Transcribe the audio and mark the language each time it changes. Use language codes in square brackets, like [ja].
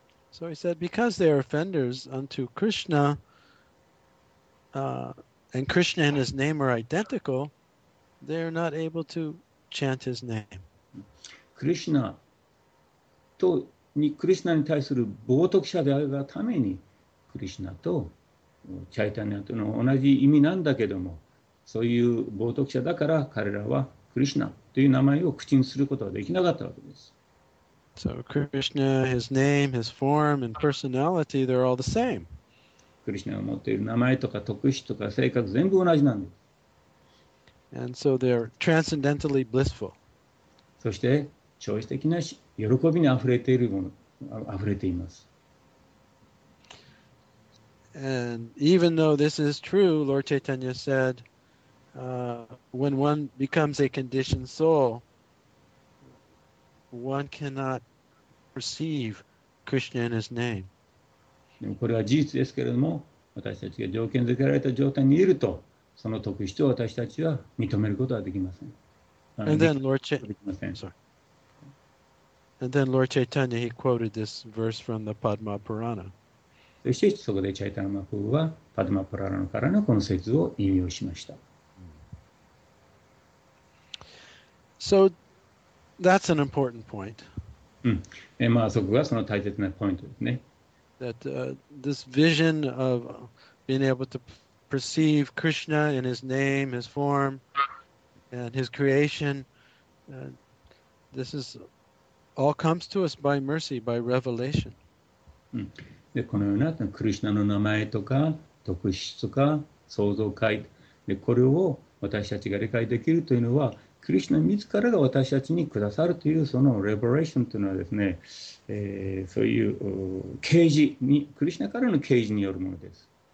[en] So he said, because they are offenders unto Krishna, and Krishna and his name are identical, they are not able to chant his name. [ja] Krishna とにクリシナに対する冒涜者であるがためにクリシナとチャイタニアとの同じ意味なんだけどもそういう冒涜者だから彼らはクリシナという名前を口にすることはできなかったわけです。 [en] So Krishna, his name, his form and personality, they're all the same. [ja] クリシナが持っている名前とか特質とか性格全部同じなんです。 [en] And so they're transcendentally blissful. [ja] そして超越的な喜びにあふれているもの、あふれています。 [en] And even though this is true, Lord Chaitanya said, when one becomes a conditioned soul, one cannot perceive Krishna in his name. [ja] でもこれは事実ですけれども、私たちが条件づけられた状態にいると、その特質を私たちは認めることはできません。 [en] And then Lord Chaitanya, he quoted this verse from the Padma Purana. [ja] そしてそこでチャイタナマプーは、パドマプラナからのこの説を引用しました。 [en] So, that's an important point. [ja] うん。まあそこがその大切なポイントですね。 [en] That this vision of being able to perceive Krishna in his name, his form, and his creation, this is all comes to us by mercy, by revelation. [ja] で、このようなクリシュナの名前とか特質とか創造界で、これを私たちが理解できるというのは、クリシュナ自らが私たちにくださるというそのレボレーションというのはですね、そういう啓示に、クリシュナからの啓示によるものです。